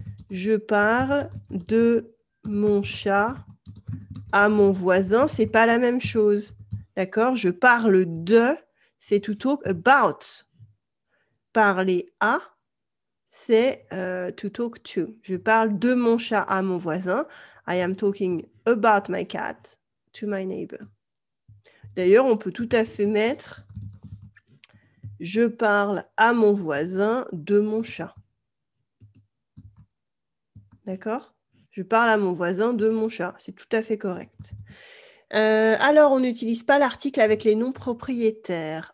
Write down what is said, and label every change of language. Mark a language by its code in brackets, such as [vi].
[fr] Je parle de mon chat à mon voisin, c'est pas la même chose. D'accord? Je parle de, c'est [en] to talk about. [fr] Parler à, c'est [en] to talk to. [fr] Je parle de mon chat à mon voisin. [en] I am talking about my cat to my neighbor. [fr] D'ailleurs, on peut tout à fait mettre je parle à mon voisin de mon chat. D'accord? Je parle à mon voisin de mon chat. C'est tout à fait correct. Alors, on n'utilise pas l'article avec les noms propriétaires.